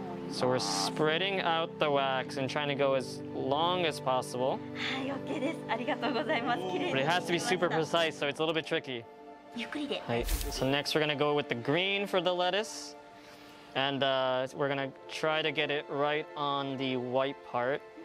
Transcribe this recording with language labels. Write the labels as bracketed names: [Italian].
[English] So we're spreading out the wax and trying to go as long as possible. [Japanese] はい、OKです。ありがとうございます。綺麗に。 [English] But it has to be super precise, so it's a little bit tricky. [Japanese] ゆっくりで。はい。 [English] So next we're gonna go with the green for the lettuce. And we're gonna try to get it right on the white part.